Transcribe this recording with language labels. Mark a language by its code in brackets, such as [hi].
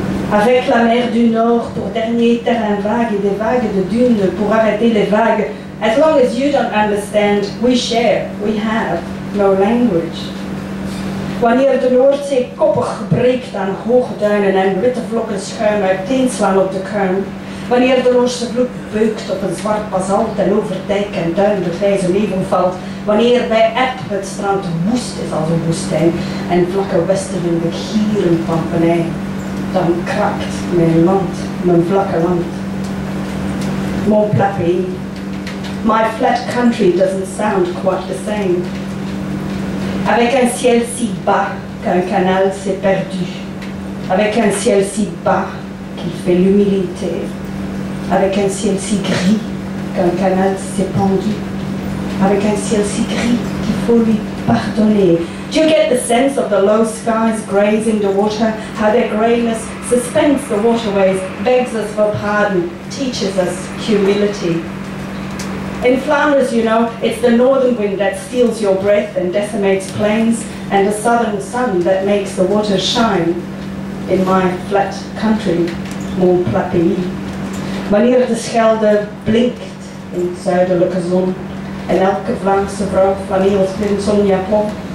[fr] Avec la mer du Nord pour dernier terrain vague et des vagues de dunes pour arrêter les vagues. [en] As long as you don't understand, we share, we have no language. [nl] Wanneer de Noordzee koppig breekt aan hoge duinen en witte vlokken schuim uiteenslaan op de kern. Wanneer de roze bloed beukt op een zwart basalt en over dijk en duin de grijze nevel valt. Wanneer bij eb het strand woest is als een woestijn en vlakke westenwinden gieren van penijn. Dan kraakt mijn land, mijn vlakke land. [fr] Mon plat pays. [en] My flat country doesn't sound quite the same. [fr] Avec un ciel si bas qu'un canal s'est perdu. Avec un ciel si bas qu'il fait l'humilité. Avec un ciel si gris qu'un canal s'est pendu. Avec un ciel si gris qu'il faut lui pardonner. [en] Do you get the sense of the low skies grazing the water? How their greyness suspends the waterways, begs us for pardon, teaches us humility. In Flanders, you know, it's the northern wind that steals your breath and decimates plains, and the southern sun that makes the water shine. In my flat country, [fr] mon plat pays. [nl] Wanneer de Schelde blinkt in zuidelijke zon, en elke Vlaamse vrouw flaneert in [fr] son japon.